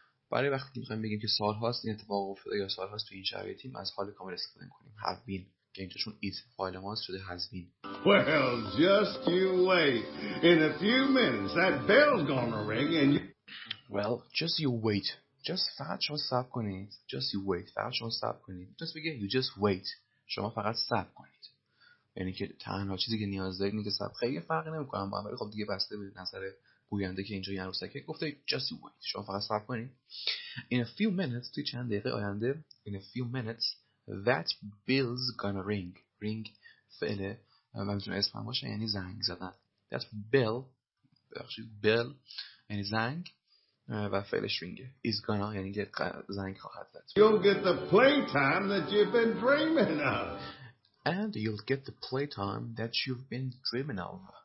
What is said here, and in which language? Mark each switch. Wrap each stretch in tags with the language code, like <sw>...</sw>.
<fa>برای وقتی میخوایم بگیم که سال هاست این اتفاق افتاده یا سال هاست تو این شرایطیم، از حال کامل استفاده میکنیم.</fa> <en>Have been.</en> <fa>که اینجا چون it فایل ماست شده has been.</fa> <en>Well, just you wait. In a few minutes, that bell's gonna ring and Well, just you wait.</en> <fa>Just فقط شما صبر کنید.</fa> <en>Just بگید you just wait.</en> <fa>شما فقط صبر کنید. یعنی که تنها چیزی که نیاز دارید اینه که صبر. خیلی فرقی نمی‌کنه با ولی خب دیگه بسته به نظر گوینده که اینجا یه عروسک گفته</fa> <en>just you wait.</en> <fa>شما فقط صبر کنید.</fa> <en>In a few minutes</en> <fa>توی چند دقیقه آینده</fa> <en>in a few minutes that bell's gonna ring.</en> <fa>Ring فعل مبتنی اسم هم باشه یعنی زنگ زدن. That bell بخشید bell یعنی زنگ و فعلش رینگه. Is gonna یعنی که زنگ خواهد زد.</fa> <en>You'll get the playtime that you've been dreaming of. And you'll get the playtime that you've been dreaming of.</en>